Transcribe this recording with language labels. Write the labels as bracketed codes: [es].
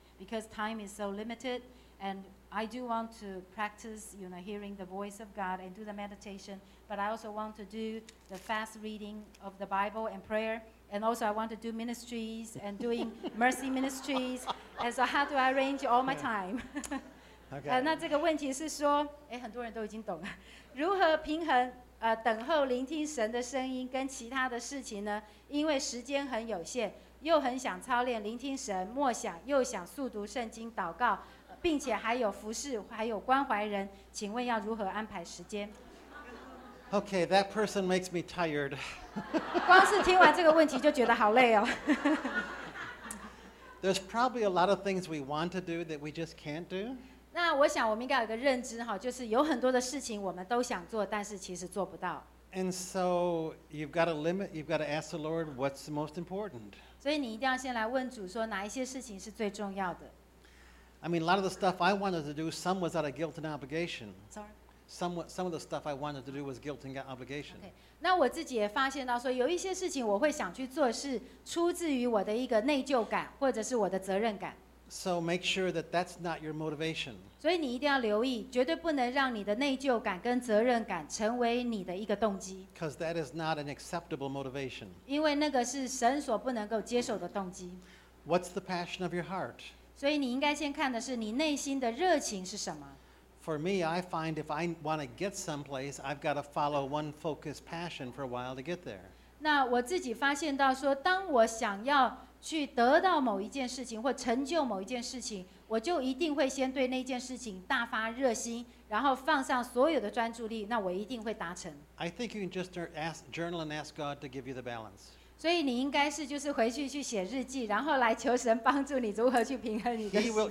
[en] Because time is so limited, and I do want to practice, you know, hearing the voice of God and do the meditation, but I also want to do the fast reading of the Bible and prayer, and also I want to do ministries and doing mercy ministries, and so how do I arrange all my time? Okay. [zh] 那这个问题是说，诶，很多人都已经懂了，如何平衡等候聆听神的声音跟其他的事情呢？因为时间很有限，又很想操练聆听神默想，又想速读圣经祷告，并且还有服事，还有关怀人，请问要如何安排时间？ [en] Okay, that person makes me tired. [zh] 光是听完这个问题就觉得好累哦。 [en] There's probably a lot of things we want to do that we just can't do. [zh] 那我想我们应该有一个认知，就是有很多的事情我们都想做，但是其实做不到。 [en] And so you've got to limit, you've got to ask the Lord what's the most important. [zh] 所以你一定要先来问主说哪一些事情是最重要的。 [en] I mean, a lot of the stuff I wanted to do, some was out of guilt and obligation. Sorry? Some of the stuff I wanted to do was guilt and obligation. Okay. [zh] 那我自己也发现到说有一些事情我会想去做是出自于我的一个内疚感或者是我的责任感。 [en] So make sure that that's not your motivation. [zh] 所以你一定要留意，绝对不能让你的内疚感跟责任感成为你的一个动机。 [en] Because that is not an acceptable motivation. [zh] 因为那个是神所不能够接受的动机。 [en] What's the passion of your heart? [zh] 所以你应该先看的是你内心的热情是什么。 [en] For me, I find if I want to get someplace, I've got to follow one focused passion for a while to get there. [zh] 那我自己发现到说，当我想要去得到某一件事情或成就某一件事情，我就一定会先对那件事情大发热心，然后放上所有的专注力，那我一定会达成。 [en] I think you can just journal and ask God to give you the balance. [zh] 所以你应该是就是回去去写日记，然后来求神帮助你如何去平衡你的时间。